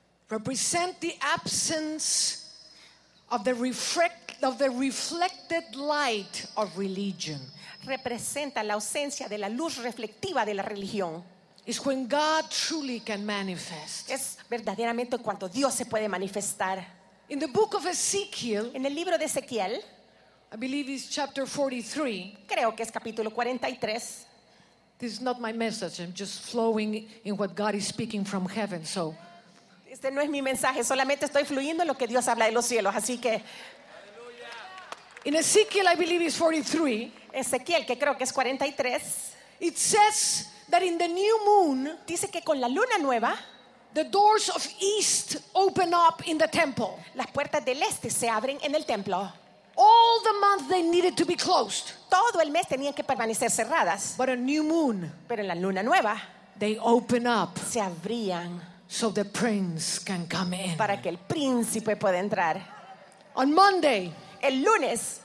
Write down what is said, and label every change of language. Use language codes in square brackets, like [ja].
[en] Represent the absence of the reflected light of religion. [es] Representa la ausencia de la luz reflectiva de la religión. [en] Is when God truly can manifest. [es] Es verdaderamente cuando Dios se puede manifestar. [en] In the book of Ezekiel, [es] en el libro de Ezequiel, [en] I believe it's chapter 43. [es] Creo que es capítulo 43. [en] This is not my message. I'm just flowing in what God is speaking from heaven. So, [es] este no es mi mensaje. Solamente estoy fluyendo en lo que Dios habla de los cielos. Así que, [en] in Ezekiel, I believe it's 43. [es] Ezequiel, que creo que es 43. [en] It says that in the new moon, [es] dice que con la luna nueva, [en] the doors of east open up in the temple. [es] Las puertas del este se abren en el templo. [en] All the month they needed to be closed. [es] Todo el mes tenían que permanecer cerradas. [en] But a new moon, [es] pero en la luna nueva, [en] they open up. [es] Se abrían. [en] So the prince can come in. [es] Para que el príncipe pueda entrar. [en] On Monday, [es] el lunes,